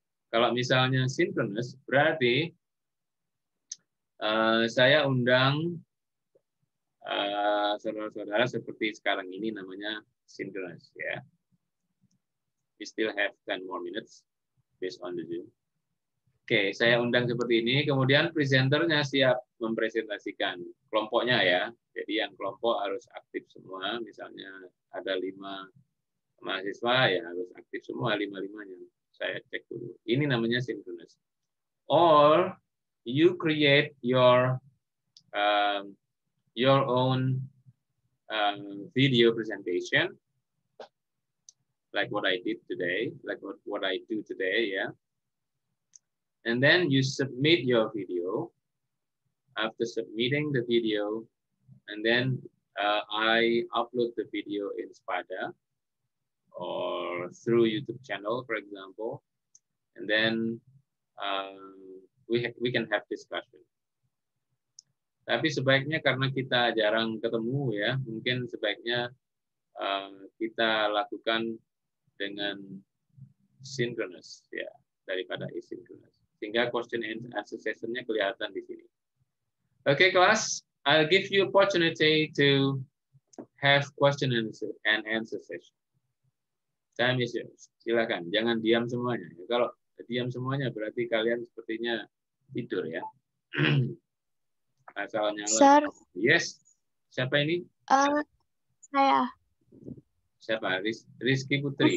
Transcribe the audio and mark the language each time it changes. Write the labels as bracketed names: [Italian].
[Indonesian] Kalau misalnya synchronous, berarti saya undang saudara-saudara seperti sekarang ini namanya synchronous, ya. Yeah. [English] We still have 10 more minutes based on the Zoom. [Indonesian] Oke, saya undang seperti ini, kemudian presenternya siap mempresentasikan kelompoknya ya. Jadi yang kelompok harus aktif semua, misalnya ada 5 mahasiswa ya harus aktif semua 5-5-nya. Saya cek dulu. Ini namanya synchronous. [English] Or you create your own video presentation like what I did today, like what I do today, ya. Yeah. And then you submit your video. After submitting the video, and then I upload the video in Spada or through YouTube channel, for example. And then we can have discussion. [Indonesian] Tapi sebaiknya karena kita jarang ketemu ya, mungkin sebaiknya kita lakukan dengan synchronous ya, daripada asynchronous. Sehingga [English] question and answer session- [Indonesian] nya kelihatan di sini. [English] Okay, class, I'll give you opportunity to have question and answer session. Time is yours. [Indonesian] Silakan, jangan diam semuanya. Kalau diam semuanya berarti kalian sepertinya tidur ya. Asalnya [English] Sir. [Indonesian] Yes. Siapa ini? Saya. Siapa? Rizky Putri.